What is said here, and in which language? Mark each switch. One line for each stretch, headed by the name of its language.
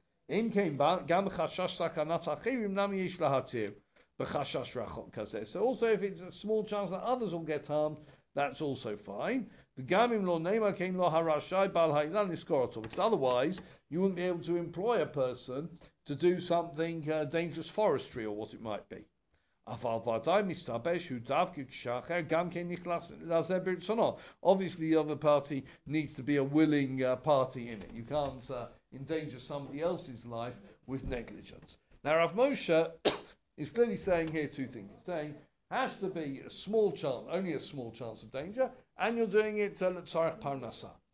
Hebrew: אם כן, גם בחשש סכנת אחרים, נמי יש להתיר בחשש רחוק כזה.
English: So also if it's a small chance that others will get harmed, that's also fine.
Hebrew: וגם אם לא נאמר כן לא הרשאי בעל האילן לזכור אותו.
English: Because otherwise, you wouldn't be able to employ a person to do something dangerous forestry or what it might be.
Hebrew: אבל ודאי מסתבר שהוא דווקא כשאחר גם כן נכנס לזה ברצונו.
English: Obviously, the other party needs to be a willing party in it. You can't endanger somebody else's life with negligence. Now, Rav Moshe is clearly saying here two things. He's saying, has to be a small chance, only a small chance of danger, and you're doing it
Hebrew: l'tzarech parnasa.